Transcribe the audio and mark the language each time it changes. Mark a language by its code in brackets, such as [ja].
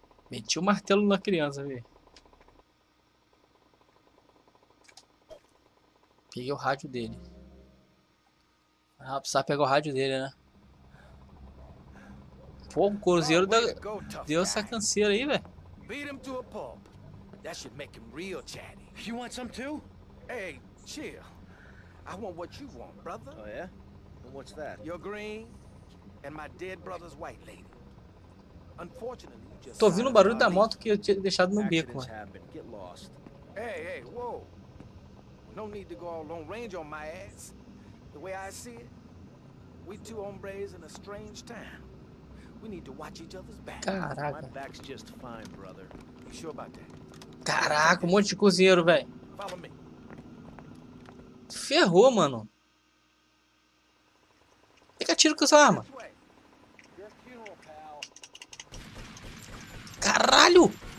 [pt] Meti o martelo na criança, viu? Peguei o rádio dele. Ah, precisava pegar o rádio dele, né? Pô, o cruzeiro da... deu essa canseira aí, velho. [en] Beat him to a pulp. That should make him real chatty. You want some too? Hey, chill. I want what you want, brother. Oh, yeah? Well, what's that? Your green and my dead brother's white lady. Unfortunately. [pt] Tô ouvindo o barulho da moto que eu tinha deixado no beco, mano. [en] Hey, hey, whoa. No need to go all long range on my ass. The way I see it, we two hombres in a strange town. We need to watch each other's back. Caraca. My back's just fine, brother. You sure about that? [pt] Caraca, um monte de cozinheiro, velho. [en] Follow me. [pt] Ferrou, mano. Pega tiro com essa arma. Caralho!